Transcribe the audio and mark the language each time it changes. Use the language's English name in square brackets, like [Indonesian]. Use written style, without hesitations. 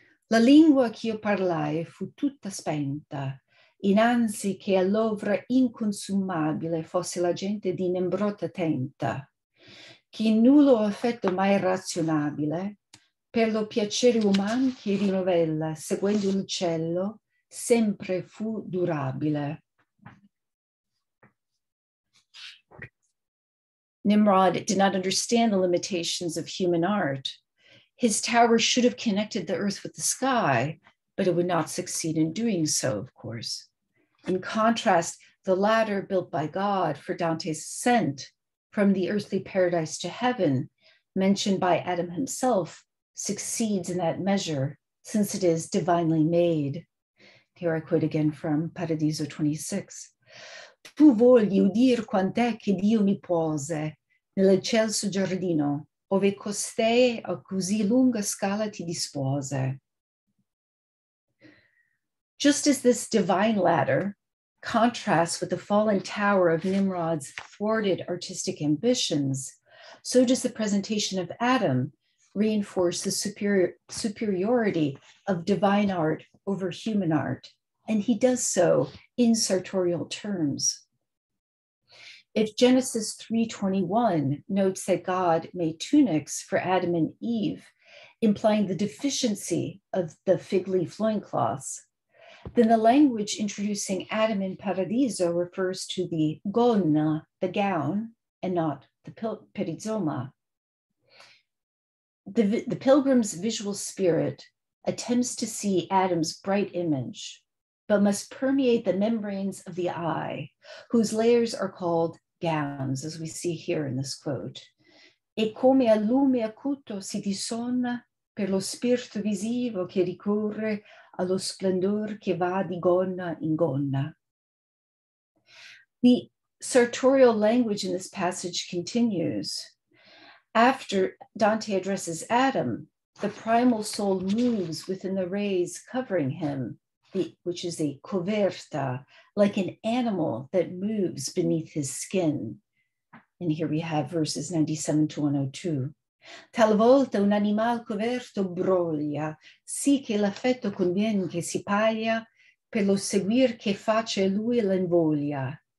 [Italian] La lingua che io parlai fu tutta spenta, innanzi che all'ovra inconsumabile fosse la gente di Nimrod attenta. chi nullo affetto mai razionabile, per lo piacere umano che rinovella, seguendo un uccello, sempre fu durabile. [English] Nimrod did not understand the limitations of human art. His tower should have connected the earth with the sky, but it would not succeed in doing so, of course. In contrast, the ladder built by God for Dante's ascent from the earthly paradise to heaven, mentioned by Adam himself, succeeds in that measure, since it is divinely made. Here I quote again from Paradiso 26. [Italian] Tu vogli udir quant'è che Dio mi pose nell'eccelso giardino, ove costei a così lunga scala ti dispose. [English] Just as this divine ladder contrasts with the fallen tower of Nimrod's thwarted artistic ambitions, so does the presentation of Adam reinforce the superiority of divine art over human art, and he does so in sartorial terms. If Genesis 3:21 notes that God made tunics for Adam and Eve, implying the deficiency of the fig leaf loincloths, then the language introducing Adam in Paradiso refers to the gonna, the gown, and not the perizoma. The pilgrim's visual spirit attempts to see Adam's bright image, but must permeate the membranes of the eye, whose layers are called gowns, as we see here in this quote. [Italian] E come al lume acuto si disonna per lo spirito visivo che ricorre allo splendor che va di gonna in gonna. [English] The sartorial language in this passage continues. After Dante addresses Adam, the primal soul moves within the rays covering him, which is a coverta, like an animal that moves beneath his skin. And here we have verses 97-102. [Italian] Talvolta un animal coverto broglia, sì che l'affetto convien che si paia per lo seguir che face lui l'invoglia.